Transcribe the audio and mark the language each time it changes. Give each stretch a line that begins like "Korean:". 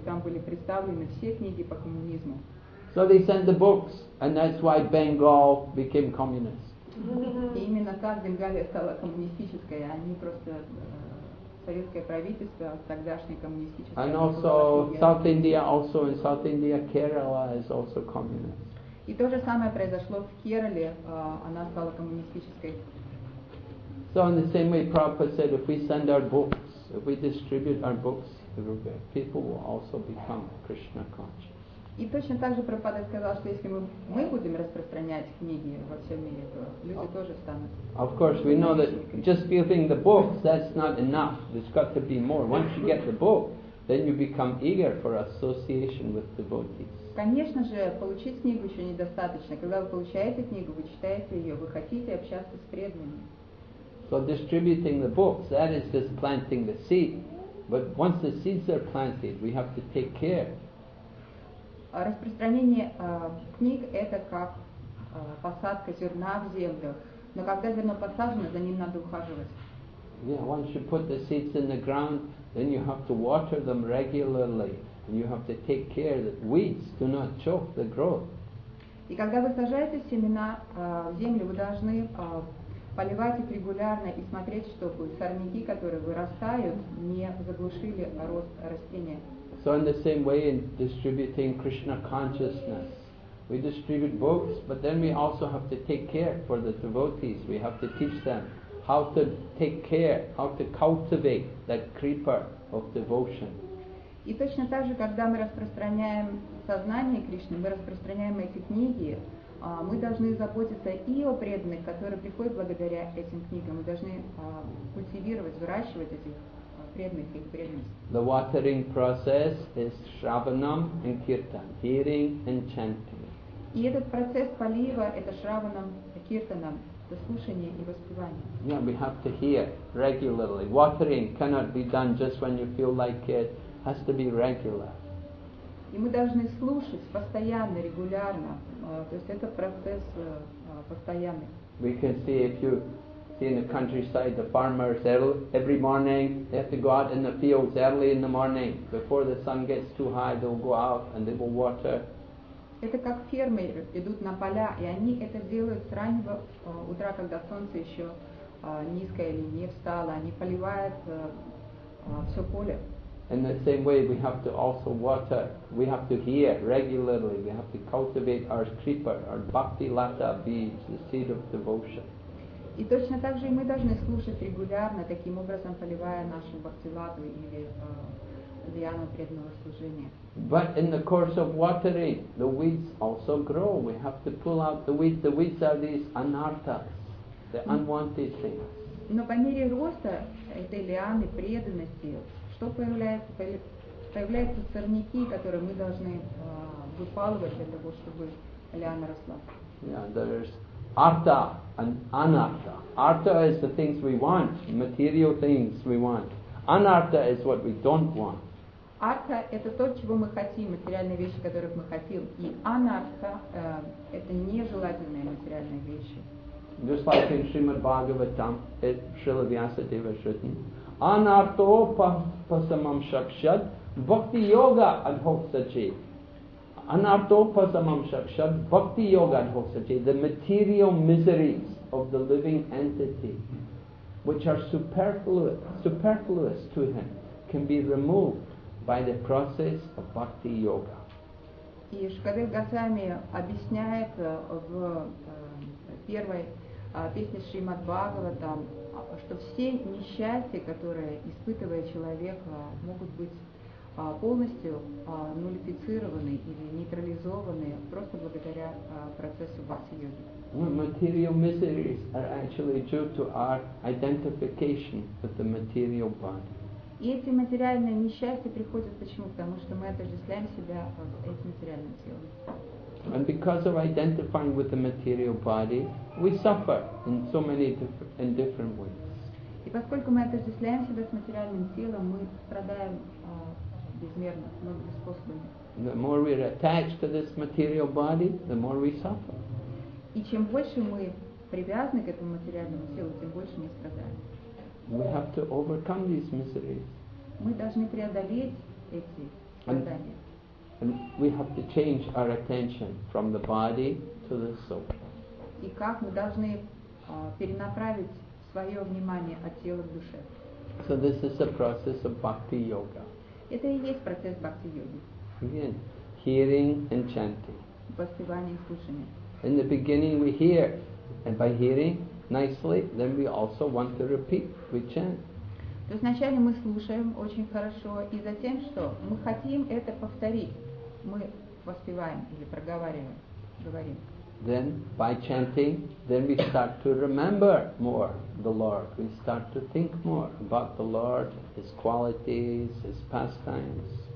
Russian: Там были представлены все книги по коммунизму.
English: So they sent the books, and that's why Bengal became communist.
Russian: И именно так Бенгалия стала коммунистической, а не просто советское правительство, тогдашнее коммунистическое.
English: And also South India, also in South India, Kerala is also communist.
Russian: И то же самое произошло в Керале, она стала коммунистической.
English: So in the same way, Prabhupada said, if we send our books, if we distribute our books everywhere, people will also become Krishna conscious.
Russian: И точно так же Прабхупада сказал, что если мы будем распространять книги во всем мире, то люди тоже станут.
English: Of course, we know that just giving the books, that's not enough. There's got to be more. Once you get the book, then you become eager for association with devotees.
Russian: Конечно же, получить книгу еще недостаточно. Когда вы получаете книгу, вы читаете ее, вы хотите общаться с преданными.
English: So distributing the books, that is just planting the seed. But once the seeds are planted, we have to take care.
Russian: Распространение книг – это как посадка зерна в землю. Но когда зерно посажено, за ним надо ухаживать.
English: Yeah, once you put the seeds in the ground, then you have to water them regularly. And you have to take care that weeds do not choke the growth.
Russian: И когда вы сажаете семена в землю, вы должны поливать их регулярно и смотреть, чтобы сорняки, которые вырастают, не заглушили рост растения.
English: So in the same way, in distributing Krishna consciousness, we distribute books, but then we also have to take care for the devotees. We have to teach them how to take care, how to cultivate that creeper of devotion.
Russian: И точно так же, когда мы распространяем сознание Кришны, мы распространяем эти книги, мы должны заботиться и о преданных, которые приходят благодаря этим книгам. Мы должны культивировать, выращивать этих преданных и их преданность.
English: The watering process is shravanam and kirtan, hearing and chanting.
Russian: И этот процесс полива – это шраванам, киртанам, это слушание и воспевание.
English: Yeah, we have to hear regularly. Watering cannot be done just when you feel like it. Has to be regular.
Russian: И мы должны слушать постоянно, регулярно. То есть это процесс постоянный.
English: We can see if you see in the countryside the farmers every morning they have to go out in the fields early in the morning before the sun gets too high they'll go out and they will water.
Russian: Это как фермеры идут на поля и они это делают с раннего утра, когда солнце еще низкое или не встало, они поливают все поле.
English: In the same way, we have to also water. We have to hear regularly. We have to cultivate our creeper, our bhakti lata beads, the seed of devotion.
Russian: И точно так же и мы должны слушать регулярно, таким образом поливая нашу бхакти лату или лиану преданного служения.
English: But in the course of watering, the weeds also grow. We have to pull out the weeds. The weeds are these anarthas, the unwanted things.
Russian: Но по мере роста этой лианы преданности что появляется? Появляются сорняки, которые мы должны выпалывать для того, чтобы лиана росла.
English: Yeah, there's artha and anartha. Artha is the things we want, material things we want. Anartha is what we don't want.
Russian: Artha – это то, чего мы хотим, материальные вещи, которых мы хотим. И anartha – это нежелательные материальные вещи.
English: Just like in Srimad Bhagavatam, Srila Vyasadeva has written,
Sanskrit: anartho pasamam shakshat bhakti yoga adhoksache. Anartho pasamam shakshat bhakti yoga adhoksache.
English: The material miseries of the living entity, which are superfluous to him, can be removed by the process of bhakti yoga.
Russian: И Шукадев Госвами объясняет в первой песне Шримад Бхагаватам, что все несчастья, которые испытывает человек, могут быть полностью нулифицированы или нейтрализованы просто благодаря процессу бхакти-йоги.
English: Material miseries are actually due to our identification with the material body.
Russian: И эти материальные несчастья приходят почему? Потому что мы отождествляем себя с этим материальным телом.
English: And because of identifying with the material body, we suffer in so many different ways.
Russian: И поскольку мы отождествляем себя с материальным телом, мы страдаем безмерно, многими способами.
English: The more we are attached to this material body, the more we suffer.
Russian: И чем больше мы привязаны к этому материальному телу, тем больше мы страдаем.
English: We have to overcome these miseries.
Russian: Мы должны преодолеть эти страдания.
English: And we have to change our attention from the body to the soul.
Russian: И как мы должны перенаправить свое внимание от тела к душе.
English: So this is the process of bhakti yoga.
Russian: Это и есть процесс бхакти йоги.
English: Again, hearing and chanting.
Russian: Воспевание и слушание.
English: In the beginning we hear, and by hearing nicely, then we also want to repeat, we chant.
Russian: То есть вначале мы слушаем очень хорошо, и затем что? Мы хотим это повторить. Мы воспеваем или проговариваем, говорим.
English: Then, by chanting, then we start to remember more the Lord. We start to think more about the Lord, His qualities, His pastimes.